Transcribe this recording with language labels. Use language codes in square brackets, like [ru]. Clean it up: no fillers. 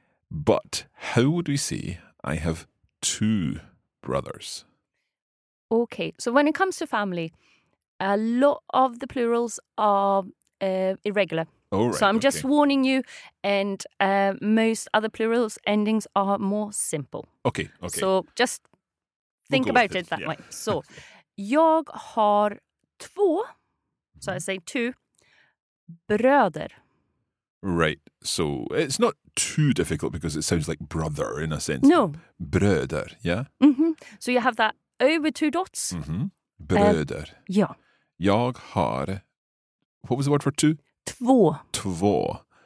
[en] But how would we say I have two brothers? Okay. So when it comes to family, a lot of the plurals are irregular. Oh, right. So I'm just warning you, and most other plurals endings are more simple. Okay, okay. So just think about it that way. So, [sv] jag har två, [en] so I say two, bröder. Right, so it's not too difficult because it sounds like brother in a sense. No. [sv] Bröder, yeah? [en] Mm-hmm. So you have that over two dots. [sv] Mm-hmm. Bröder. [en] Yeah. [sv] Jag har, [en] what was the word for two? [sv] Två.